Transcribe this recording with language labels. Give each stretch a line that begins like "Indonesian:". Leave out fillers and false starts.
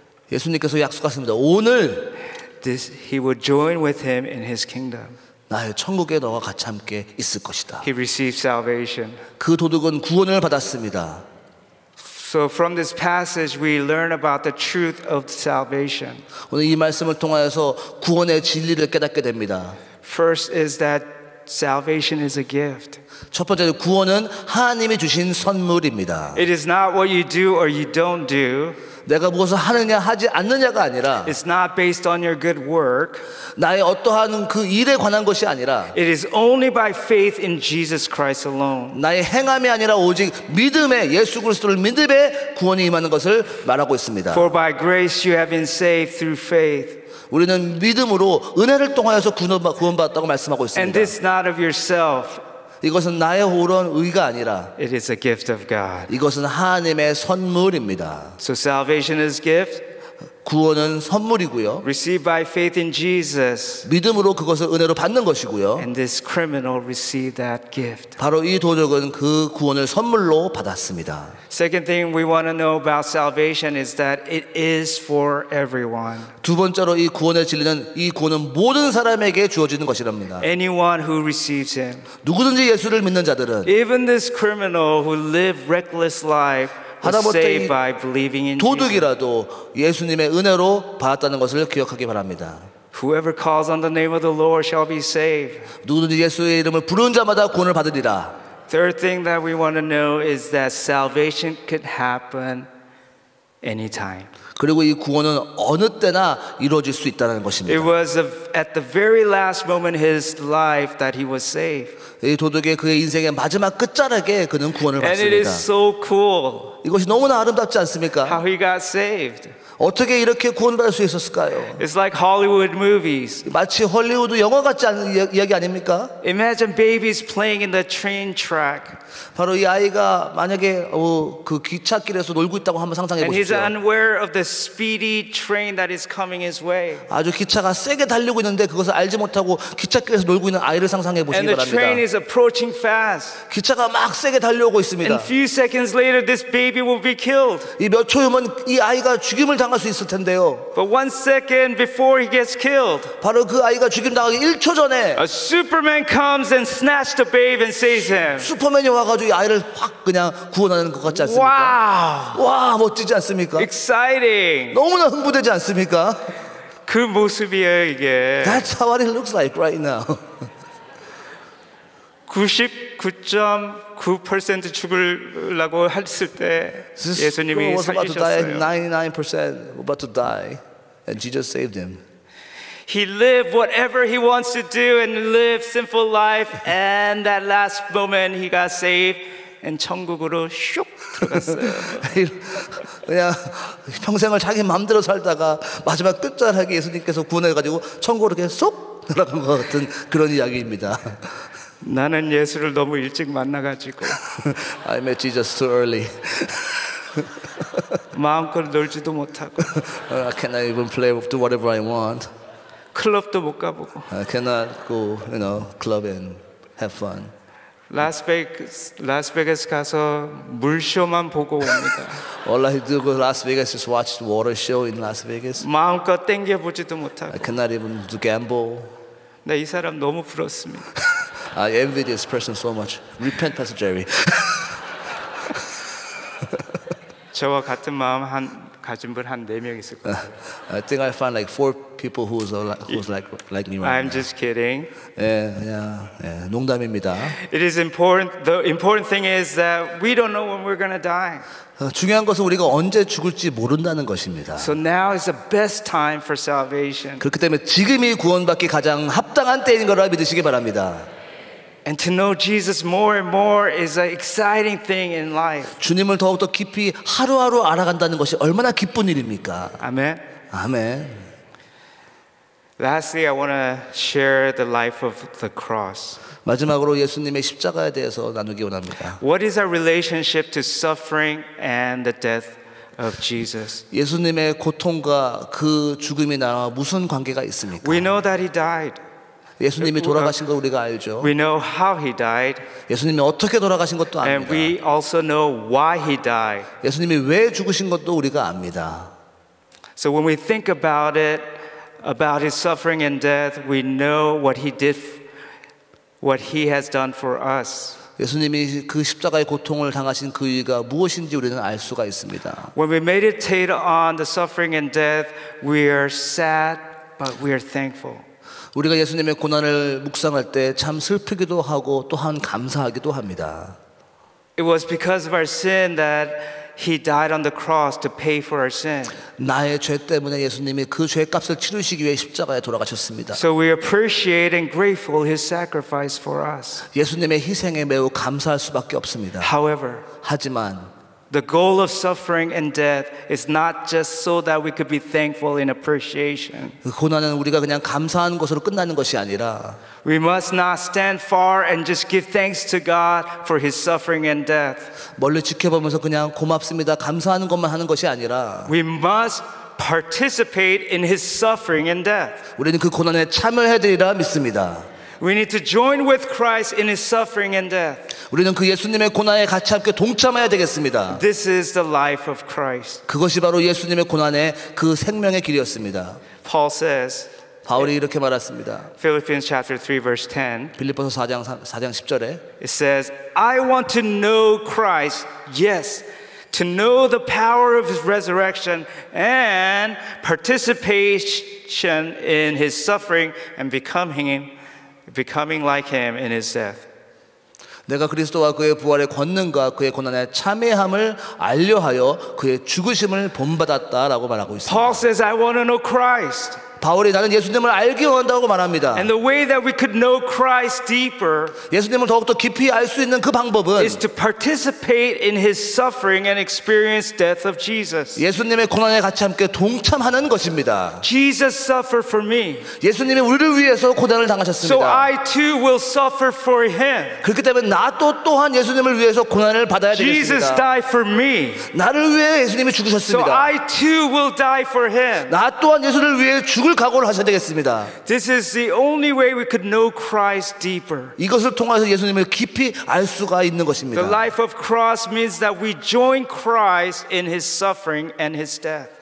Korean: 예수님께서 약속하셨습니다. 오늘
English: this he would join with him in his kingdom.
Korean: 나의 천국에 너와 같이 함께 있을 것이다.
English: He received salvation.
Korean: 그 도둑은 구원을 받았습니다.
English: So from this passage we learn about the truth of salvation.
Korean: 오늘 이 말씀을 통하여서 구원의 진리를 깨닫게 됩니다.
English: First is that salvation is a gift.
Korean: 첫 번째로 구원은 하나님이 주신 선물입니다.
English: It is not what you do or you don't do.
Korean: 내가 무엇을 하느냐 하지 않느냐가 아니라
English: It's not based on your good work.
Korean: 나의 어떠한 그 일에 관한 것이 아니라
English: It is only by faith in Jesus Christ alone.
Korean: 나의 행함이 아니라 오직 믿음에 예수 그리스도를 믿음에 구원이 임하는 것을 말하고 있습니다.
English: For by grace you have been saved through faith.
Korean: 우리는 믿음으로 은혜를 통하여서 구원받았다고 말씀하고 있습니다.
English: And this not of yourself.
Korean: 이것은 나의 옳은 의가 아니라
English: It is a gift of God.
Korean: 이것은 하나님의 선물입니다.
English: So salvation is gift.
Korean: 구원은 선물이고요.
English: Received by faith in Jesus.
Korean: 믿음으로 그것을 은혜로 받는 것이고요.
English: And this criminal received that gift.
Korean: 바로 이 도둑은 그 구원을 선물로 받았습니다.
English: Second thing we want to know about salvation is that it is for everyone.
Korean: 두 번째로 이 구원의 진리는 이 구원은 모든 사람에게 주어지는 것이랍니다.
English: Anyone who receives him.
Korean: 누구든지 예수를 믿는 자들은
English: Even this criminal who lived reckless life
Korean: 하다못해 도둑이라도 예수님의 은혜로 받았다는 것을 기억하기 바랍니다.
English: Whoever calls on the name of the Lord shall be saved.
Korean: 누구든지 예수의 이름을 부르는 자마다 구원을 받으리라.
English: Third thing that we want to know is that salvation could happen anytime.
Korean: 그리고 이 구원은 어느 때나 이루어질 수 있다는 것입니다.
English: It was at the very last moment in his life that he was saved.
Korean: 이 도둑의 그의 인생의 마지막 끝자락에 그는 구원을 받습니다.
English: And it is so cool.
Korean: 이것이 너무나 아름답지 않습니까?
English: How he got saved.
Korean: 어떻게 이렇게 구원받을 수 있었을까요?
English: It's like Hollywood movies.
Korean: 마치 할리우드 영화 같지 않은 이야기 아닙니까?
English: Imagine babies playing in the train track.
Korean: 바로 이 아이가 만약에 그 기찻길에서 놀고 있다고 한번 상상해 보십시오.
English: And he's unaware of the speedy train that is coming his way.
Korean: 아주 기차가 세게 달리고 있는데 그것을 알지 못하고 기찻길에서 놀고 있는 아이를 상상해 보시기 바랍니다.
English: And the train is approaching fast.
Korean: 기차가 막 세게 달려오고 있습니다.
English: And few seconds later, this baby will be killed.
Korean: 이 몇 초 후면 이 아이가 죽임을 당할 수 있을 텐데요.
English: But 1 second before he gets killed,
Korean: 바로 그 아이가 죽임 당하기 1초 전에,
English: a Superman comes and snatches the babe and saves him.
Korean: 슈퍼맨이 와가지고 이 아이를 확 그냥 구원하는 것 같지 않습니까? 와, 멋지지 않습니까?
English: Exciting.
Korean: 너무나 흥분되지 않습니까? 그 모습이에요 이게.
English: That's how it looks like right now.
Korean: 99.9% 죽으려고 했을 때 예수님이 살리셨어요.
English: 99% about to die and Jesus saved him. He lived whatever he wants to do and lived sinful life and that last moment he got saved and
Korean: 천국으로 슉 들어갔어요. 그냥 평생을 자기 마음대로 살다가 마지막 끝자락에 예수님께서 구원해가지고 천국으로 이렇게 쏙 들어간 것 같은 그런 이야기입니다. 나는 예수를 너무 일찍 만나가지고
English: I met Jesus too early.
Korean: 마음껏 놀지도 못하고
English: I cannot even play do whatever I want.
Korean: 클럽도 못 가보고
English: I cannot go, you know, club and have fun.
Korean: 라스베이거스 가서 물쇼만 보고 옵니다.
English: All I do go to Las Vegas is watch the water show in Las Vegas.
Korean: 마음껏 땡겨보지도 못하고
English: I cannot even do gamble.
Korean: 나 이 사람 너무 부럽습니다.
English: I envy this person so much. Repent, Pastor Jerry.
Korean: 저와 같은 마음 한 가진 분 한 네 명 있을 거예요.
English: I think I find like four people who's like me right I'm just kidding.
Korean: 예, 그냥 예, 농담입니다.
English: It is important. The important thing is that we don't know when we're gonna die.
Korean: 중요한 것은 우리가 언제 죽을지 모른다는 것입니다.
English: So now is the best time for salvation.
Korean: 그렇기 때문에 지금이 구원받기 가장 합당한 때인 거라 믿으시기 바랍니다.
English: And to know Jesus more and more is an exciting thing in life.
Korean: 주님을 더욱더 깊이 하루하루 알아간다는 것이 얼마나 기쁜 일입니까? 아멘. 아멘.
English: Lastly, I want to share the life of the cross.
Korean: 마지막으로 예수님의 십자가에 대해서 나누기 원합니다.
English: What is our relationship to suffering and the death of Jesus?
Korean: 예수님의 고통과 그 죽음이 나와 무슨 관계가 있습니까?
English: We know that he died.
Korean: 예수님이 돌아가신 걸 우리가 알죠.
English: We know how he died.
Korean: 예수님이 어떻게 돌아가신 것도 압니다.
English: And we also know why he died.
Korean: 예수님이 왜 죽으신 것도 우리가 압니다.
English: So when we think about it, about his suffering and death, we know what he did, what he has done for us.
Korean: 예수님이 그 십자가의 고통을 당하신 그 이유가 무엇인지 우리는 알 수가 있습니다.
English: When we meditate on the suffering and death, we are sad, but we are thankful.
Korean: 우리가 예수님의 고난을 묵상할 때 참 슬프기도 하고 또한 감사하기도 합니다.
English: It was because of our sin that he died on the cross to pay for our sin.
Korean: 나의 죄 때문에 예수님이 그 죄값을 치르시기 위해 십자가에 돌아가셨습니다.
English: So we appreciate and grateful his sacrifice for us.
Korean: 예수님의 희생에 매우 감사할 수밖에 없습니다.
English: However,
Korean: 하지만
English: The goal of suffering and death is not just so that we could be thankful in appreciation.
Korean: 고난은 우리가 그냥 감사하는 것으로 끝나는 것이 아니라
English: We must not stand far and just give thanks to God for his suffering and death.
Korean: 멀리 지켜보면서 그냥 고맙습니다 감사하는 것만 하는 것이 아니라
English: We must participate in his suffering and death.
Korean: 우리는 그 고난에 참여해드리라 믿습니다.
English: We need to join with Christ in his suffering and death.
Korean: 우리는 그 예수님의 고난에 같이 함께 동참해야 되겠습니다.
English: This is the life of Christ.
Korean: 그것이 바로 예수님의 고난의 그 생명의 길이었습니다.
English: Paul says.
Korean: 바울이 이렇게 말했습니다.
English: Philippians chapter 3 verse 10.
Korean: 빌립보서 4장 10절에
English: It says, I want to know Christ. Yes. To know the power of his resurrection and participation in his suffering and becoming like him in his death.
Korean: 내가 그리스도와 그의 부활의 권능과 그의 고난의 참회함을 알려하여 그의 죽으심을 본받았다라고 말하고 있습니다.
English: Paul says, "I want to know Christ."
Korean: 바울이 나는 예수님을 알기 원한다고 말합니다.
English: And the way that we could know Christ deeper,
Korean: 예수님을 더욱더 깊이 알 수 있는 그 방법은
English: is to participate in his suffering and experience death of Jesus.
Korean: 예수님의 고난에 같이 함께 동참하는 것입니다.
English: Jesus suffered for me.
Korean: 예수님이 우리를 위해서 고난을 당하셨습니다.
English: So I too will suffer for him.
Korean: 그렇기 때문에 나도 또한 예수님을 위해서 고난을 받아야
English: Jesus Jesus died for me.
Korean: 나를 위해 예수님이 죽으셨습니다.
English: So I too will die for him.
Korean: 나 또한 예수를 위해 죽을 각오를 하셔야 되겠습니다.
English: This is the only way we could know Christ deeper.
Korean: 이것을 통해서 예수님을 깊이 알 수가 있는 것입니다.
English: The life of cross means that we join Christ in his suffering and his death.